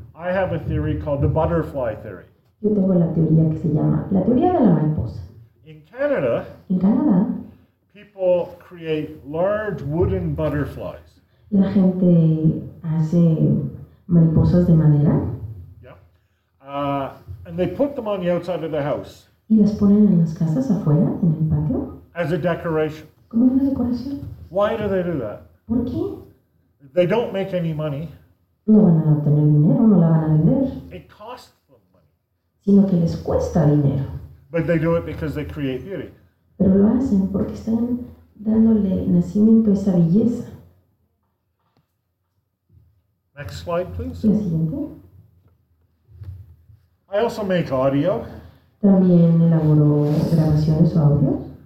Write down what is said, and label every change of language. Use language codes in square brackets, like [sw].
[en] I have a theory called the butterfly theory. [es] Yo tengo la teoría que se llama la teoría de la mariposa. En Canadá, [en] people create large wooden butterflies. [es] La gente hace mariposas de madera. [en] Yeah. And they put them on the outside of the house. [es] Y las ponen en las casas afuera, en el patio. [en] As a decoration. [es] Como una decoración. [en] Why do they do that? [es] ¿Por qué? [en] They don't make any money. [es] No van a obtener dinero, no la van a vender. [en] It costs them money. [es] Sino que les cuesta dinero. [en] But they do it because they create beauty. [es] Pero lo hacen porque están dándole nacimiento a esa belleza. [en] Next slide, please. [es] La siguiente. [en] I also make audio. [es] También elaboro grabaciones o audio.